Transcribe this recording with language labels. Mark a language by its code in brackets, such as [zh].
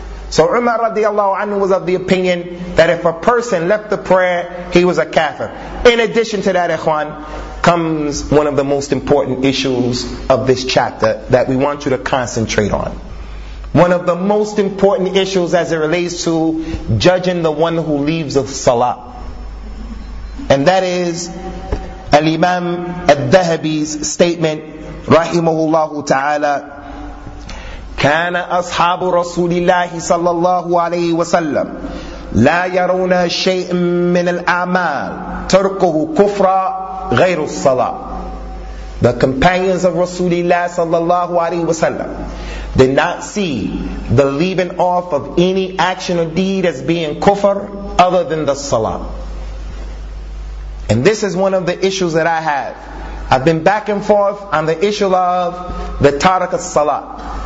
[en] So Umar radiallahu anhu was of the opinion that if a person left the prayer, he was a kafir. In addition to that, ikhwan, comes one of the most important issues of this chapter that we want you to concentrate on. One of the most important issues as it relates to judging the one who leaves the salah. And that is Al-Imam Al-Dhahabi's statement, rahimahullahu ta'ala, [ar] كان أصحاب رسول الله صلى الله عليه وسلم لا يرون شيء من الأعمال تركه كفر غير الصلاة. [en] The companions of Rasulullah sallallahu alayhi wa sallam did not see the leaving off of any action or deed as being kufr other than the salah. And this is one of the issues that I have. I've been back and forth on the issue of the tarak as-salah.